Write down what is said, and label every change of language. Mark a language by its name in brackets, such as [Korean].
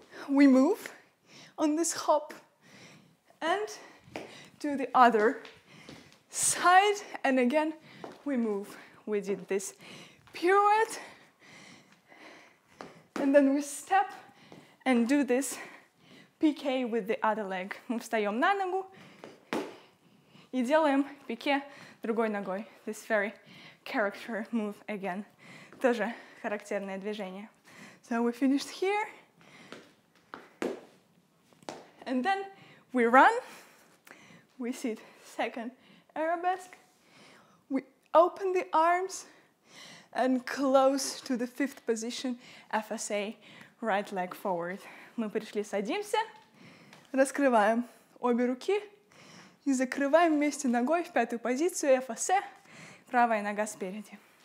[English] We move on this hop and do the other side, and again we move. We did this pirouette, and then we step and do this pique with the other leg. [Russian] Мы встаем на ногу и делаем пике другой ногой. [English] This very character move again. [Russian] Тоже характерное движение. [English] So we finished here. And then we run. We sit second arabesque. We open the arms and close to the fifth position, FSA. Right leg forward. [Russian] Мы пришли, садимся, раскрываем обе руки и закрываем вместе ногой в пятую позицию FSA, правая нога спереди.